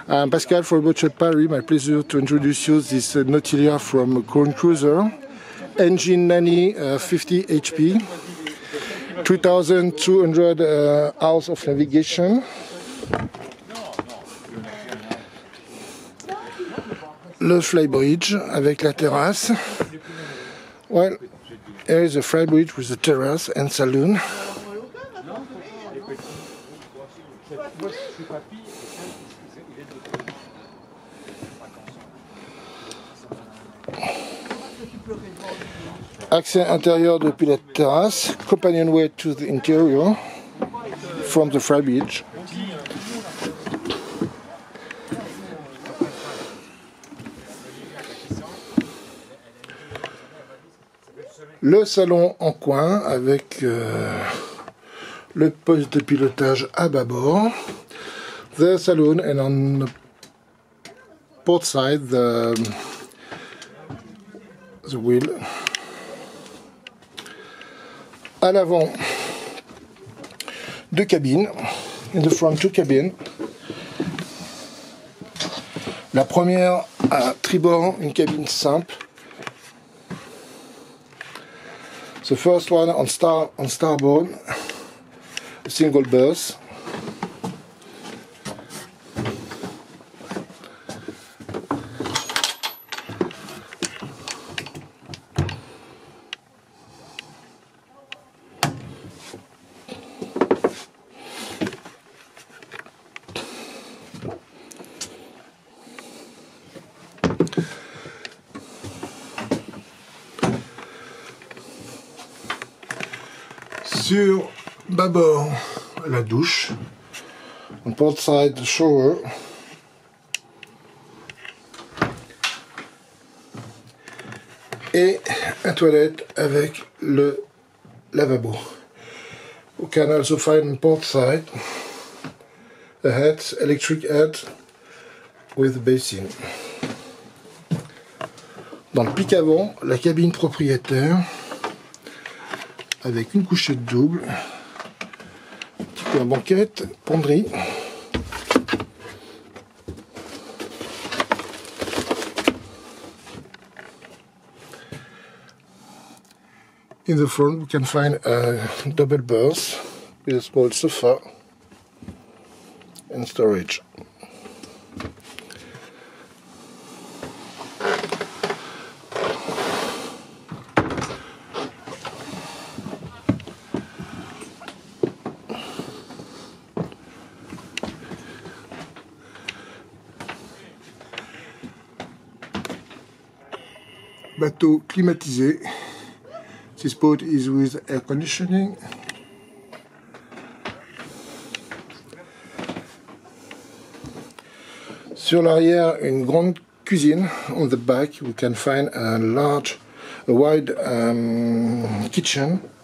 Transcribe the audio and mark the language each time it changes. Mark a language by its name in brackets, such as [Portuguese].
[English] Pascal for Boucher de Paris, my pleasure to introduce you this Nautilia from Crown Cruiser. Engine Nani 50 HP, 3200 hours of navigation. [French] Le flybridge avec la terrasse. [English] Well, here is a flybridge with a terrasse and saloon. [French] Accès intérieur depuis la terrasse. [English] Companionway to the interior from the flybridge. [French] Le salon en coin avec le poste de pilotage à bâbord. [English] The salon and on the port side the wheel. [French] À l'avant, deux cabines. [English] In the front, two cabines. [French] La première à tribord, une cabine simple. [English] The first one on starboard, a single berth. [French] Sur bâbord, la douche. [English] On port side, the shower. [French] Et la toilette avec le lavabo. [English] You can also find on port side a head, electric head with basin. [French] Dans le pic avant, la cabine propriétaire. Avec une couchette double, un petit peu de banquette, penderie. [English] In the front, we can find a double berth with a small sofa and storage. [French] Bateau climatisé. [English] This boat is with air conditioning. [French] Sur l'arrière, une grande cuisine. [English] On the back, we can find a large, a wide kitchen.